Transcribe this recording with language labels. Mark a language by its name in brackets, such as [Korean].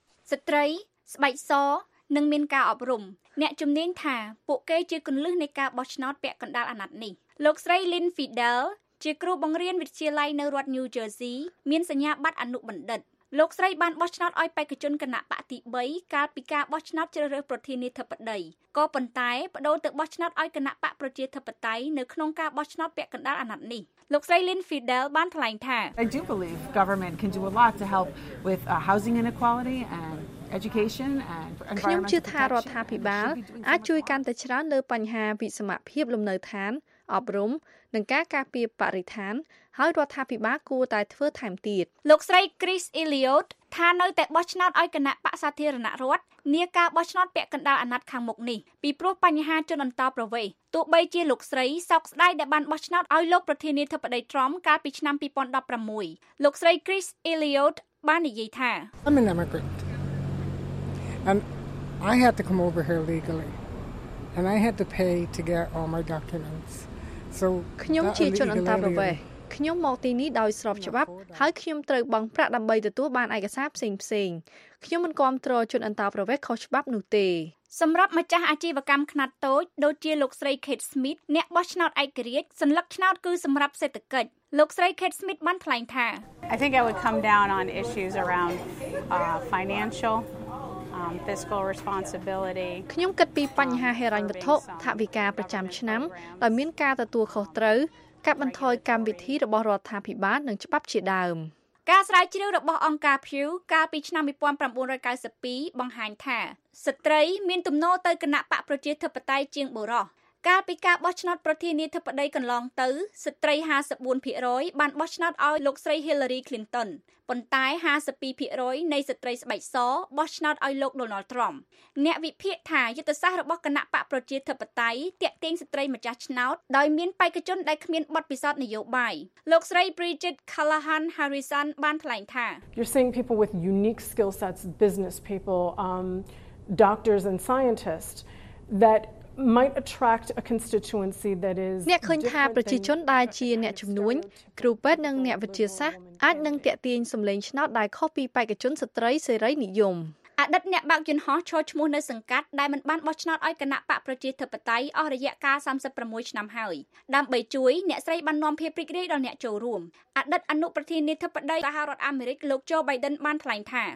[Khmer] ស្ត្រីស្បែកសនឹងមានការអប់រំអ្នកជំនាញថាពួកគេជាគន្លឹះនៃការបោះឆ្នោតពាក់កណ្ដាលអាណត្តិនេះលោកស្រី Lynn Fidel ជាគ្រូបង្រៀនវិទ្យាល័យនៅរដ្ឋ New Jersey មានសញ្ញាបត្រអនុបណ្ឌិតលោកស្រីបានបោះឆ្នោតឲ្យបេក្ខជនគណៈបកទី3កាលពីការបោះឆ្នោតជ្រើសរើសប្រធានាធិបតីក៏ប៉ុន្តែបដូរទៅបោះឆ្នោតឲ្យគណៈបកប្រជាធិបតេយ្យនៅក្នុងការបោះឆ្នោតពាក់កណ្ដាលអាណត្តិនេះលោកស្រី Lynn Fidel បានថ្លែងថា [English] I do believe government can do a lot to help with housing inequality andeducation and [Khmer] ខ្ញុំជឿថារដ្ឋាភិបាលអាចជួយកាន់តែច្រើនលើបញ្ហាវិសមភាពលំនៅឋានអប់រំនិងការការពារបរិស្ថានហើយរដ្ឋាភិបាលគួរតែធ្វើថែមទៀត លោកស្រី Chris Elliot ថានៅតែបោះឆ្នោតឲ្យគណៈបកសាធារណរដ្ឋនីការបោះឆ្នោតពាក់កណ្ដាលអាណត្តិខាងមុខនេះពីព្រោះបញ្ហាជនអន្តោប្រវេសន៍ទោះបីជាលោកស្រីសោកស្ដាយដែលបានបោះឆ្នោតឲ្យលោកប្រធានាធិបតី Trump កាលពីឆ្នាំ2016លោកស្រី Chris Elliot បាននិយាយថា [English] And I had to come over here legally and I had to pay to get all my documents. So [Khmer] ខ្ញុំជាជនអន្តោប្រវេសន៍ខ្ញុំមកទីនេះដោយស្របច្បាប់ហើយខ្ញុំត្រូវបង់ប្រាក់ដើម្បីទទួលបានឯកសារផ្សេងផ្សេងខ្ញុំមិនគ្រប់គ្រងជនអន្តោប្រវេសន៍ខុសច្បាប់នោះទេ សម្រាប់ម្ចាស់អាជីវកម្មខ្នាតតូចដូចជាលោកស្រី Kate Smith អ្នកបោះឆ្នោតឯករាជ្យសញ្ញាឆ្នោតគឺសម្រាប់សេដ្ឋកិច្ចលោកស្រី Kate Smith បានថ្លែងថា [English] I think I would come down on issues around financialfiscal responsibility [Khmer] ខ្ញុំគិតពីបញ្ហាហិរញ្ញវត្ថុថវិកាប្រចាំឆ្នាំដែលមានការទទួលខុសត្រូវការបន្ថយកម្មវិធីរបស់រដ្ឋាភិបាលនិងច្បាប់ជាដើម ការស្រាវជ្រាវរបស់អង្គការ Pew កាលពីឆ្នាំ1992បង្ហាញថាស្ត្រីមានទំនោរទៅគណៈបកប្រជាធិបតេយ្យជាងបុរសកាលពីការបោះឆ្នោតប្រធានាធិបតីកន្លងទៅស្ត្រី 54% បានបោះឆ្នោតឲ្យលោកស្រី Hillary Clinton ប៉ុន្តែ 52% នៃស្ត្រីស្បែកសបោះឆ្នោតឲ្យលោក Donald Trump អ្នកវិភាគថាយុទ្ធសាស្ត្ររបស់គណៈបកប្រជាធិបតេយ្យទាក់ទាញស្ត្រីម្ចាស់ឆ្នោតដោយមានបេក្ខជនដែលគ្មានបទពិសោធន៍នយោបាយលោកស្រី Bridget Callahan Harrison បានថ្លែងថា [English] You're seeing people with unique skill sets business people doctors and scientists thatmight attract a constituency that is [Khmer] អ្នកឃើញថាប្រជាជនដែលជាអ្នកជំនួញគ្រូពេទ្យនិងអ្នកវិទ្យាសាស្ត្រអាចនឹងទាក់ទាញសម្លេងឆ្នោតដែលខុសពីបេក្ខជនស្ត្រីសេរីនិយម អតីតអ្នកបើកយន្តហោះឈរឈ្មោះនៅសង្កាត់ដែលមិនបានបោះឆ្នោតឲ្យគណៈបកប្រជាធិបតេយ្យអស់រយៈកាល36ឆ្នាំហើយដើម្បីជួយអ្នកស្រីបាននាំភាពរីករាយដល់អ្នកចូលរួមអតីតអនុប្រធានាធិបតីសហរដ្ឋអាមេរិកលោកโจ Biden បានថ្លែងថា